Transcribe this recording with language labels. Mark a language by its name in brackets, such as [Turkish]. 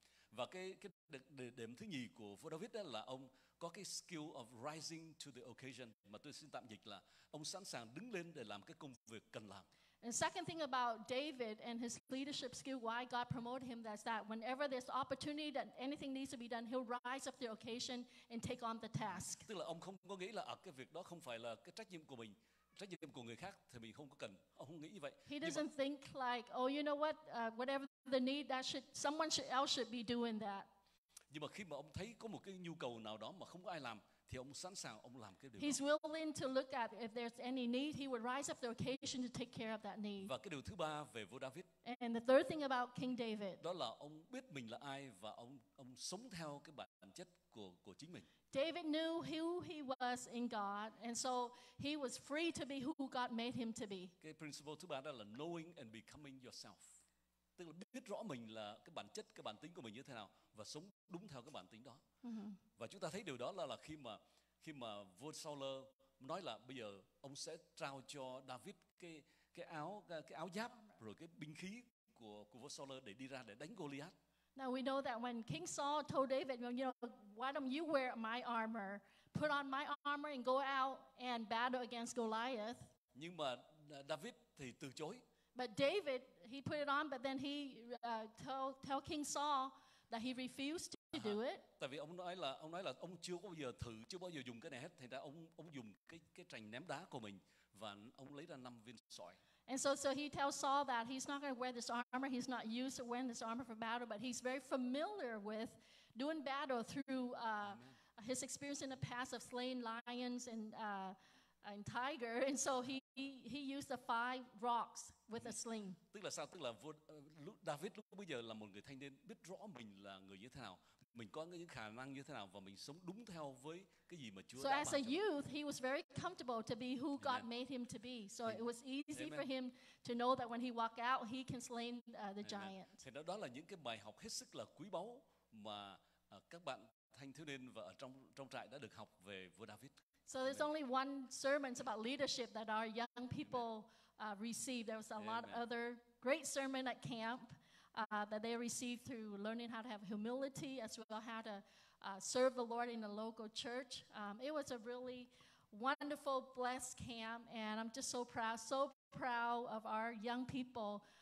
[Vietnamese] Và cái điểm thứ nhì của vua David đó là ông có cái [English] skill of rising to the occasion, [Vietnamese] mà tôi xin tạm dịch là ông sẵn sàng đứng lên để làm cái công việc cần làm. [English] And second thing about David and his leadership skill, why God promoted him, that's that whenever there's opportunity that anything needs to be done, he'll rise up to the occasion and take on the task. [Vietnamese] Tức là ông không có nghĩ là cái việc đó không phải là cái trách nhiệm của mình, trách nhiệm của người khác thì mình không có cần. Ông không nghĩ như vậy. [English] He doesn't think like, oh, you know what, whatever the need, that should someone else should be doing that. [Vietnamese] Nhưng mà khi mà ông thấy có một cái nhu cầu nào đó mà không có ai làm, thì ông sẵn sàng ông làm cái điều. [English] He's willing to look at if there's any need, he would rise up the occasion to take care of that need. [Vietnamese] Và cái điều thứ ba về vua David. [English] And the third thing about King David. [Vietnamese] Đó là ông biết mình là ai và ông sống theo cái bản chất của chính mình. [English] David knew who he was in God, and so he was free to be who God made him to be. [Vietnamese] Cái principle thứ ba đó là [English] knowing and becoming yourself. [Vietnamese] Tức là biết rõ mình là cái bản chất, cái bản tính của mình như thế nào và sống đúng theo cái bản tính đó. Và chúng ta thấy điều đó là khi mà vua Saul nói là bây giờ ông sẽ trao cho David cái áo giáp rồi cái binh khí của vua Saul để đi ra để đánh Goliath. [English] Now we know that when King Saul told David, you know, why don't you wear my armor, put on my armor and go out and battle against Goliath. [Vietnamese] Nhưng mà David thì từ chối. [English] But David, he put it on, but then he tell King Saul that he refused to do it. [Vietnamese] Tại vì ông nói là ông chưa bao giờ thử, chưa bao giờ dùng cái này hết. Thành ra ông dùng cái trành ném đá của mình và ông lấy ra 5 viên sỏi. [English] And so he tells Saul that he's not going to wear this armor. He's not used to wearing this armor for battle, but he's very familiar with doing battle through his experience in the past of slaying lions and tiger. And so he used the 5 rocks with a sling. [Vietnamese] Tức là sao? Tức là vua David lúc bây giờ là một người thanh niên biết rõ mình là người như thế nào, mình có những khả năng như thế nào và mình sống đúng theo với cái gì mà Chúa đã ban cho. [English] So as a youth, he was very comfortable to be who God made him to be. So it was easy for him to know that when he walked out, he can slay the giant. [Vietnamese] Thì đó là những cái bài học hết sức là quý báu mà các bạn thanh thiếu niên và ở trong trại đã được học về vua David. [English] So there's only one sermon about leadership that our young people received. There was a lot of other great sermon at camp that they received through learning how to have humility as well, how to serve the Lord in the local church. It was a really wonderful, blessed camp, and I'm just so proud of our young people.